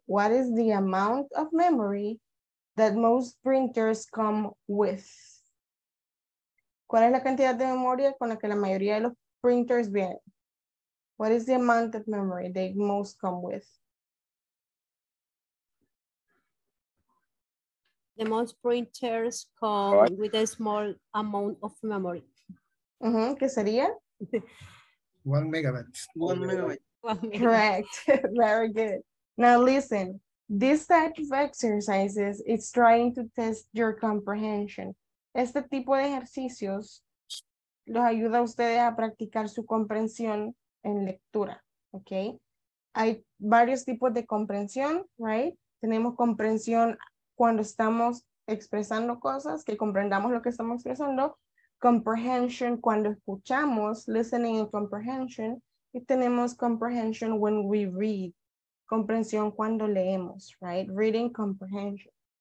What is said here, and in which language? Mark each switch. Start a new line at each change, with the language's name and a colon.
English: What is the amount of memory that most printers come with?
Spanish: ¿Cuál es la cantidad de memoria con la que la mayoría de los printers vienen?
English: What is the amount of memory they most come with? The most printers come right with a small amount of memory.
Spanish: Mm-hmm. ¿Qué sería?
English: 1 megabyte. 1 megabyte. Correct. Very good. Now listen, this type of exercises is trying to test your comprehension.
Spanish: Este tipo de ejercicios los ayuda a ustedes a practicar su comprensión en lectura, okay? Hay varios tipos de comprensión, right? Tenemos comprensión cuando estamos expresando cosas, que comprendamos lo que estamos expresando, comprehension cuando escuchamos,
English: listening and comprehension,
Spanish: y tenemos
English: comprehension when we read,
Spanish: comprensión cuando leemos, right?
English: Reading comprehension.